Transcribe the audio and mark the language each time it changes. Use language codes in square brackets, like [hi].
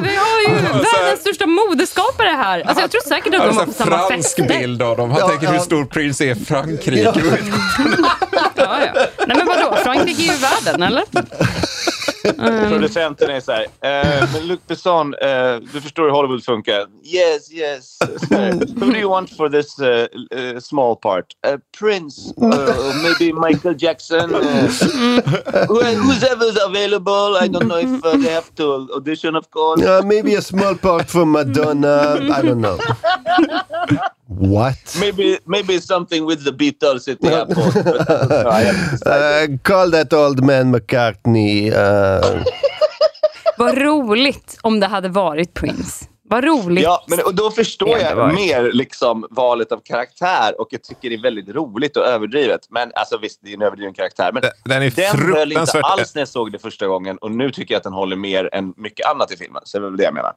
[sv] Vi har ju världens största moderskapare här. Alltså jag tror säkert att de har på samma fest. Fransk bild av dem. Han tänker hur stor Prince är i Frankrike. Ja. Nej men vadå? Frankrike är ju världen, eller? Producenten är såhär, Luc Besson, du förstår hur Hollywood funkar. [en] Yes, yes. Who do you want for this small part? Prince, maybe Michael Jackson. Who's ever available? I don't know if they have to audition, of course. Maybe a small part for Madonna. I don't know. What? Maybe something with the Beatles at the airport. Call that old man McCartney. [sv] Vad roligt om det hade varit Prince. Vad roligt. Ja, men då förstår jag mer liksom valet av karaktär, och jag tycker det är väldigt roligt och överdrivet. Men alltså visst, det är en överdriven karaktär, men den höll inte alls när jag såg det första gången, och nu tycker jag att den håller mer än mycket annat i filmen. Så det är väl det jag menar.